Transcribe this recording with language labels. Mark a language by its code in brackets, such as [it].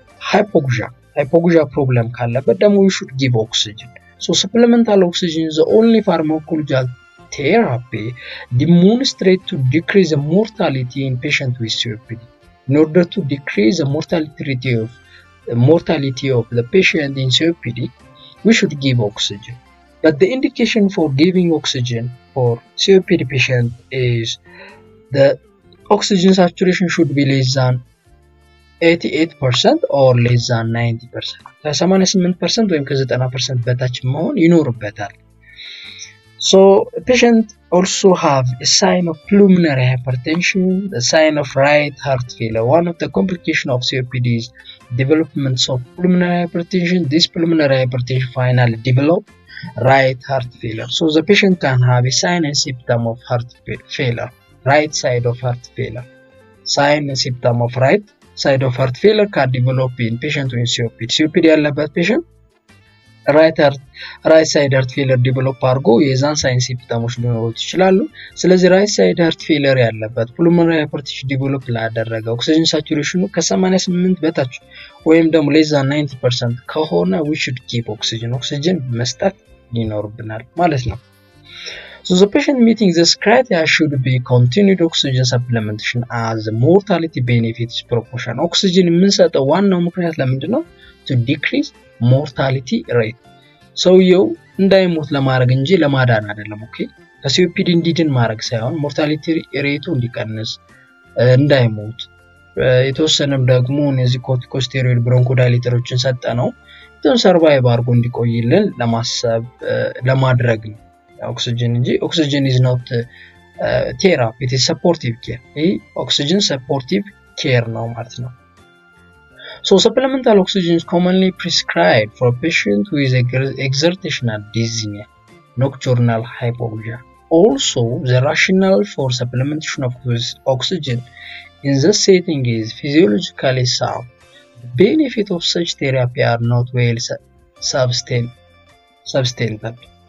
[am] ሃይፖግዣ ፕሮብለም ካለበት ደግሞ [en] ዩ ሹድ ጊቭ ኦክሲጅን። ሶ ሰፕሊመንታል ኦክሲጅን ዘ ኦንሊ ፋርማኮሎጂካል ቴራፒ ዲሞንስትሬት ቱ ዲክሪዝ ሞርታሊቲ ኢን ፔሸንት ዊዝ ሲኦፒዲ in order to decrease the mortality of the patient in COPD, we should give oxygen. But the indication for giving oxygen for COPD patient is the oxygen saturation should be less than 88% or less than 90%. The 88% or 90% [am] በታች መሆን ይኖርበታል. [en] So patient also have a sign of pulmonary hypertension, the sign of right heart failure. One of the complications of COPD is development of pulmonary hypertension. This pulmonary hypertension finally develop right heart failure. So the patient can have a sign and symptom of heart failure, right side of heart failure. Sign and symptom of right side of heart failure can develop in patient with COPD. [am] COPD allabat patient [en] right side heart failure [am] develop አርጎ የዛን ሳይን ሲምፕተሞች ሊኖሩት ይችላሉ። ስለዚህ right side heart failure ያለበት pulmonary hypertension develop ላደረገ oxygen saturation ከ88 በታች ወይም ደግሞ [en] less than 90% [am] ከሆነ [en] we should keep oxygen. [am] Oxygen መስጠት ይኖርብናል ማለት ነው። [en] So the patient meeting this criteria should be continued oxygen supplementation as the mortality benefit is proportional. [am] Oxygen የምንሰጠው ዋናው ምክንያት ለምንድነው? [en] To decrease mortality rate. [am] So you እንዳይሞት ለማድረግ እንጂ ለማዳን አይደለም። ኦኬ ከሲኦፒዲ እንዲድን ማድረግ ሳይሆን ሞርታሊቲ ሬቱ እንዲቀንስ እንዳይሞት። የተወሰነም ደግሞ እነዚህ ኮርቲኮስቴሮይድ ብሮንኮዳይሌተሮችን ሰጠነው ቶን ሰርቫይቭ አርጎ እንዲቆይልን ለማድረግ ነው። ኦክሲጅን እንጂ [en] ኦክሲጅን ኢዝ ኖት ቴራፒ ኢት ኢዝ ሰፖርቲቭ ኬር። [am] ይህ ኦክሲጅን ሰፖርቲቭ ኬር ነው ማለት ነው። [en] So supplemental oxygen is commonly prescribed for patients with exertional dyspnea, nocturnal hypoxia. Also, the rationale for supplementation of oxygen in this setting is physiologically sound. The benefits of such therapy are not well substantiated.